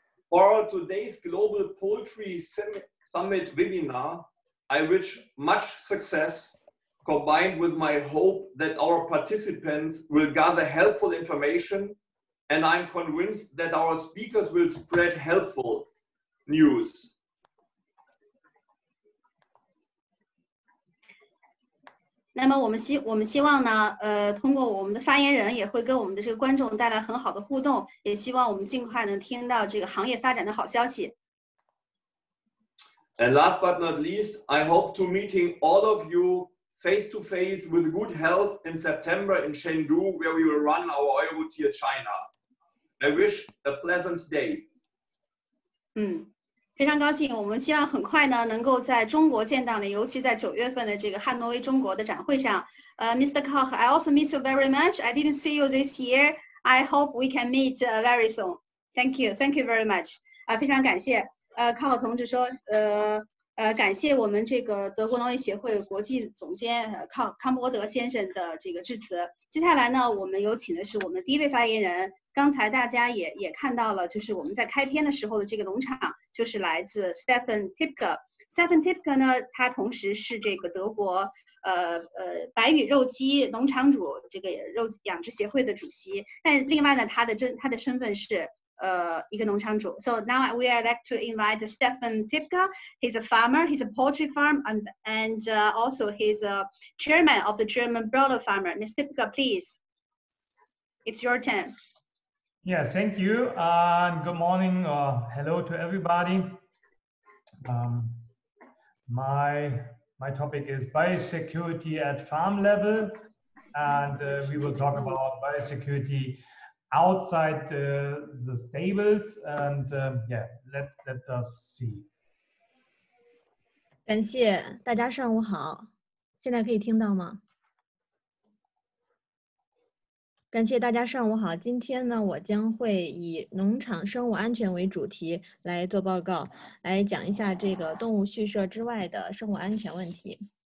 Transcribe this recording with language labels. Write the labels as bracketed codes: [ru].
[en] For today's Global Poultry Summit webinar, I wish much success, combined with my hope that our participants will gather helpful information, and I'm convinced that our speakers will spread helpful news. [zh] 那么我们希望呢，通过我们的发言人也会跟我们的这个观众带来很好的互动，也希望我们尽快能听到这个行业发展的好消息。 [en] And last but not least, I hope to meeting all of you face to face with good health in September in Chengdu, where we will run our EuroTier China. I wish a pleasant day. [zh] 非常高兴，我们希望很快呢能够在中国见到你，尤其在九月份的这个汉诺威中国的展会上。 [en] Mr. Koch, I also miss you very much. I didn't see you this year. I hope we can meet very soon. Thank you. Thank you very much. [zh] 非常感谢。 Koch 同志说，感谢我们这个德国农业协会国际总监康伯德先生的这个致辞。接下来呢，我们有请的是我们第一位发言人。刚才大家也看到了，就是我们在开篇的时候的这个农场，就是来自 Stefan Tipke。 Stefan Tipke 呢，他同时是这个德国白羽肉鸡农场主这个肉养殖协会的主席。但另外呢，他的身份是一个农场主。 [en] So now we are like to invite Stefan Tipke. He's a farmer. He's a poultry farm and also he's a chairman of the German broiler farmer. Mr. Tipke, please. It's your turn. Yeah, thank you. And good morning. Hello to everybody. My topic is biosecurity at farm level. And we will talk about biosecurity outside the stables. And let us see. [zh] 感谢大家上午好，现在可以听到吗？感谢大家上午好，今天呢，我将会以农场生物安全为主题来做报告，来讲一下这个动物畜舍之外的生物安全问题。